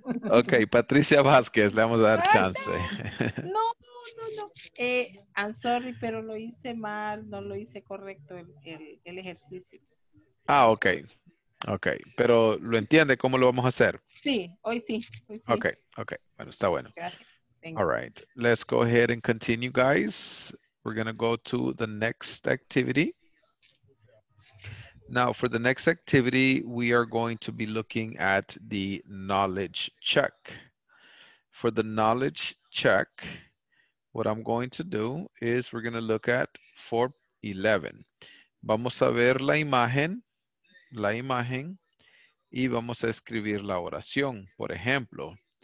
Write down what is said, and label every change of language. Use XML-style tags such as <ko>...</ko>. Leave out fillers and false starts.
<es>Ok, Patricia Vázquez, le vamos a dar chance. No.</es> <en>I'm sorry,</en> <es>pero lo hice mal, no lo hice correcto el ejercicio. Ah, ok. Ok, pero ¿lo entiende cómo lo vamos a hacer? Sí, hoy sí. Ok, bueno, está bueno. Gracias.</es> <en>All right, let's go ahead and continue, guys. We're going to go to the next activity. Now, for the next activity, we are going to be looking at the knowledge check. For the knowledge check, what I'm going to do is we're going to look at 4.11.</en> <es>Vamos a ver la imagen, y vamos a escribir la oración. Por ejemplo,</es>